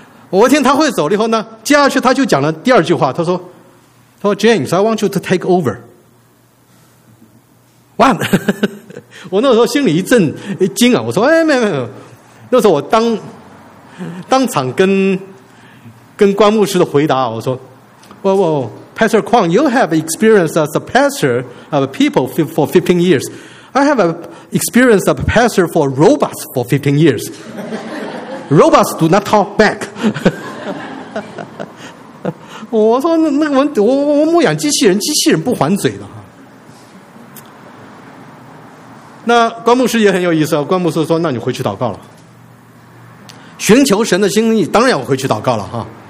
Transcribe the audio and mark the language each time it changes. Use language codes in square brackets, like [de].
[zh] 我一听他会走了以后呢，接下去他就讲了第二句话，他说 [en] James I want you to take over one [zh] 我那时候心里一震一惊啊，我说哎没有，那时候我当场跟关牧师的回答，我说 [en] Pastor Kwong, you have experience as a pastor of people for 15 years. I have experience as a pastor for robots for 15 years. Robots do not talk back. [zh] 我说那个我牧养机器人，机器人不还嘴的。那关牧师也很有意思，关牧师说那你回去祷告了，寻求神的心意，当然我回去祷告了哈。